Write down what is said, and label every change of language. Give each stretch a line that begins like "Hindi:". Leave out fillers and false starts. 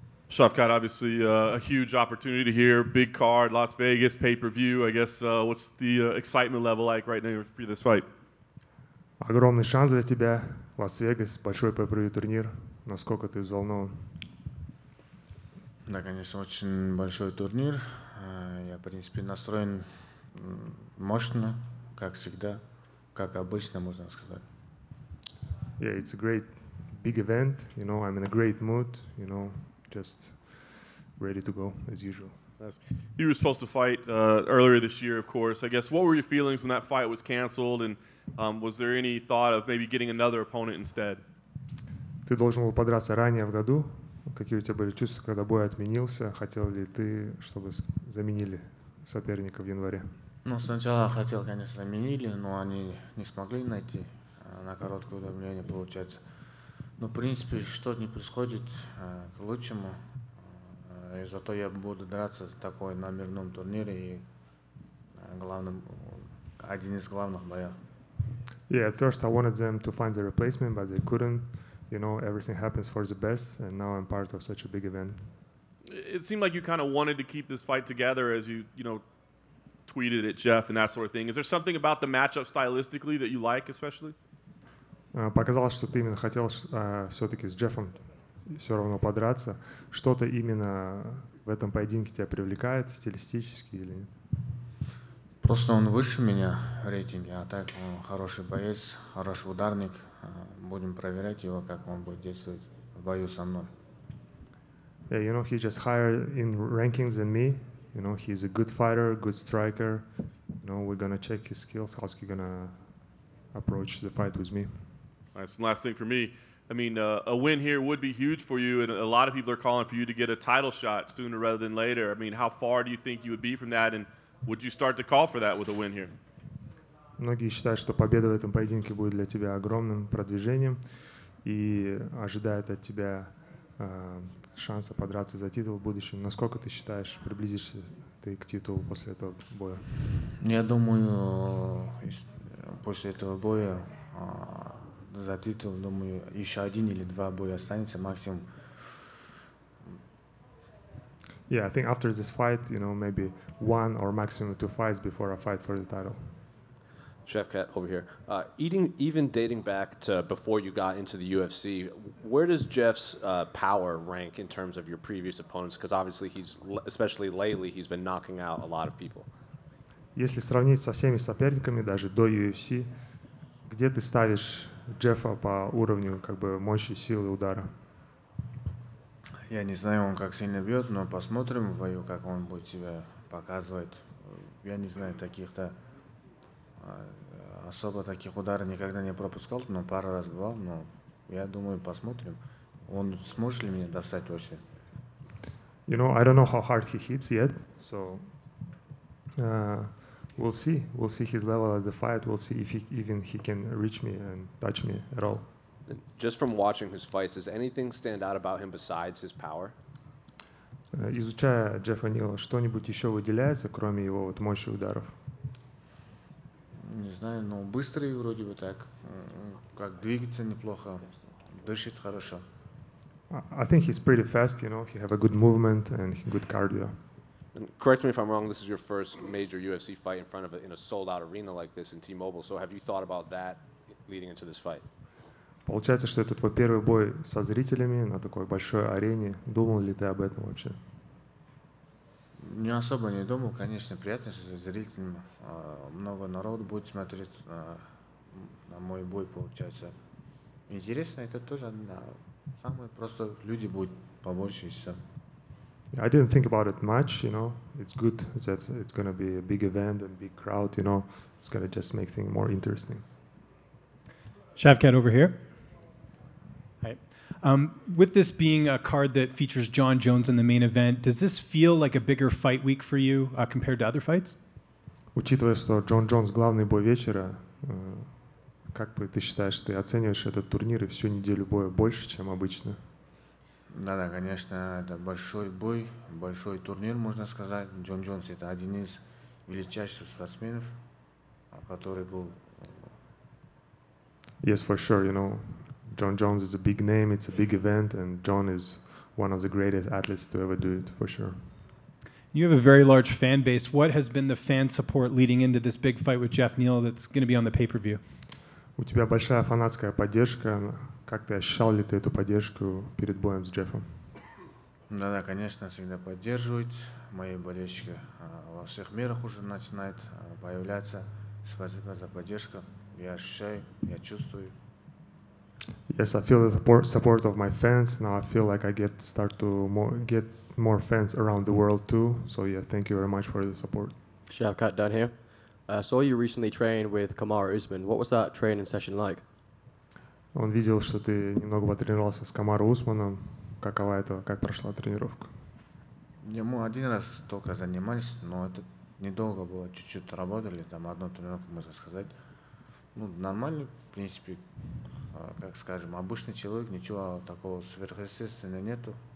English: Shavkat, obviously a huge opportunity here. Big card, Las Vegas, pay-per-view. I guess what's the excitement level like right now for this fight?
Russian: Огромный шанс для тебя, Лас-Вегас, большой pay-per-view турнир. Насколько ты взволнован? Да, конечно, очень большой турнир. Я, в принципе, настроен мощно, как всегда, как обычно, можно сказать.
English: Yeah, it's a great big event. You know, I'm in a great mood, you know. Just ready to go as usual. You were supposed to fight earlier this year, of course. I guess, what were your feelings when that fight was canceled, and was there any thought of maybe getting another opponent instead?
Russian: Ты должен был подраться ранее в году. Какие у тебя были чувства, когда бой отменился? Хотел ли ты, чтобы заменили соперника в январе? Ну, сначала хотел, конечно, заменили, но они не смогли найти на короткое удаление, получается. Ну, в принципе, что не происходит к лучшему. И зато я буду драться в такой на мирном турнире и главным один из главных боев.
English: Yeah, at first I wanted them to find the replacement, but they couldn't. You know, everything happens for the best, and now I'm part of such a big event. It seemed like you kind of wanted to keep this fight together as you, you know, tweeted at Geoff and that sort of thing. Is there something about the matchup stylistically that you like especially?
Russian: Показалось, что ты именно хотел все-таки с Джеффом все равно подраться. Что-то именно в этом поединке тебя привлекает стилистически или нет? Просто он выше меня в рейтинге, а так он хороший боец, хороший ударник. Будем проверять его, как он будет действовать в бою со мной.
English: Yeah, you know, he's just higher in rankings than me. You know, he's a good fighter, good striker. You know, we're gonna check his skills, how's he gonna approach the fight with me. Nice. And last thing for me, I mean, a win here would be huge for you, and a lot of people are calling for you to get a title shot sooner rather than later. I mean, how far do you think you would be from that, and would you start to call for that with a win here?
Russian: Многие считают, что победа в этом поединке будет для тебя огромным продвижением, и ожидают от тебя шанса подраться за титул в будущем. Насколько ты считаешь, приблизишься ты к титулу после этого боя? Я думаю, после этого боя за титул, думаю, еще один или два боя останется максимум.
English: Yeah, I think after this fight, you know, maybe one or maximum two fights before I fight for the title. Shavkat, over here. Even dating back to before you got into the UFC, where does Geoff's power rank in terms of your previous opponents? Because obviously he's, especially lately, he's been knocking out a lot of people.
Russian: Если сравнить со всеми соперниками, даже до UFC, где ты ставишь Джеффа по уровню как бы мощи, силы удара? Я не знаю, он как сильно бьет, но посмотрим в бою, как он будет себя показывать. Я не знаю, таких-то особо таких ударов никогда не пропускал, но пару раз бывал, но я думаю, посмотрим. Он сможет ли меня достать вообще?
English: You know, I don't know how hard he hits yet, so we'll see. We'll see his level at the fight. We'll see if he, even he can reach me and touch me at all. Just from watching his fights, does anything stand out about him besides his power?
Russian: Изучая Джеффа Нила, что-нибудь еще выделяется, кроме его вот мощи ударов? Не знаю, но быстрый вроде бы так. Как двигается неплохо, дышит хорошо.
English: I think he's pretty fast, you know. He have a good movement and good cardio. And correct me if I'm wrong, this is your first major UFC fight in front of a, in a sold-out arena like this in T-Mobile. So have you thought about that leading into this fight?
Russian: Получается, что это твой первый бой со зрителями на такой большой арене. Думал ли ты об этом вообще? Не особо не думал. Конечно, приятно, что со зрителями много народу будет смотреть на мой бой, получается. Интересно, это тоже самое просто люди будут побольше и все.
English: I didn't think about it much, you know. It's good that it's going to be a big event and big crowd, you know. It's going to just make things more interesting. Shavkat over here. Hi. With this being a card that features John Jones in the main event, does this feel like a bigger fight week for you compared to other fights?
Russian: Учитывая, что Джон Джонс главный бой вечера, как бы ты считаешь, ты оцениваешь этот турнир и всю неделю боя больше, чем обычно? Да-да, конечно, это большой бой, большой турнир, можно сказать. Джон Джонс – это один из величайших спортсменов, который был…
English: Yes, for sure, you know, John Jones is a big name, it's a big event, and John is one of the greatest athletes to ever do it, for sure. You have a very large fan base. What has been the fan support leading into this big fight with Geoff Neal that's going to be on the pay-per-view?
Russian: У тебя большая фанатская поддержка. Как ты ощущал ли ты эту поддержку перед боем с Джеффом? Да, конечно, всегда поддерживают мои болельщики. Во всех мирах уже начинает появляться. Спасибо за поддержку. Я ощущаю, я чувствую.
English: Yes, I feel the support of my fans. Now I feel like I get more fans around the world too. So yeah, thank you very much for the support. Shavkat down here. I saw you recently train with Kamaru Usman. What was that training session like?
Russian: Он видел, что ты немного потренировался с Камару Усманом. Какова это, как прошла тренировка? Yeah, мы один раз только занимались, но это недолго было. Чуть-чуть работали, там одну тренировку, можно сказать. Ну, нормально, в принципе, как скажем, обычный человек, ничего такого сверхъестественного нету.